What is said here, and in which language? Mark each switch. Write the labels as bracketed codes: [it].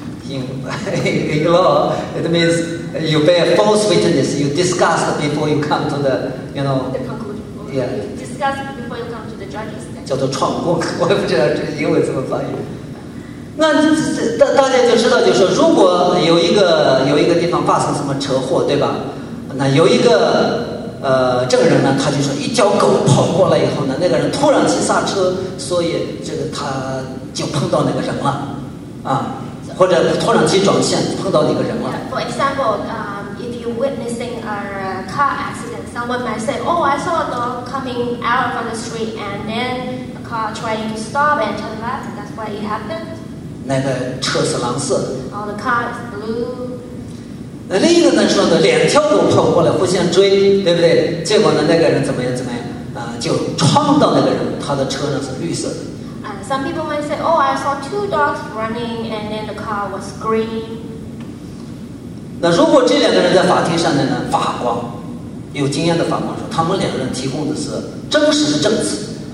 [en] In law, it means you bear false witness. You discuss before you come to the, you know. The conclusion. Yeah. Discuss before you come to the judges. [zh] 叫做闯过，我也不知道这英文怎么翻译。那大家就知道，就是说，如果有一个地方发生什么车祸，对吧？那有一个这个人呢，他就说一条狗跑过来以后呢，那个人突然急刹车，所以这个他就碰到那个人了，啊，或者突然急转线碰到那个人了。 [en] Yeah, for example, if you witnessing a car accident, someone might say, "Oh, I saw a dog coming out from the street, and then a car trying to stop and turn left. That's why it happened." [zh] 那个车是蓝色的。 [en] Oh, the car is blue. [zh] 那另一个人说呢，两条狗跑过来互相追，对不对？结果呢，那个人怎么样？就撞到那个人，他的车呢是绿色的。 [en] Some people might say, "Oh, I saw two dogs running, and then the car was green." [zh] 那如果这两个人在法庭上呢，法官有经验的法官说，他们两个人提供的是真实的证词。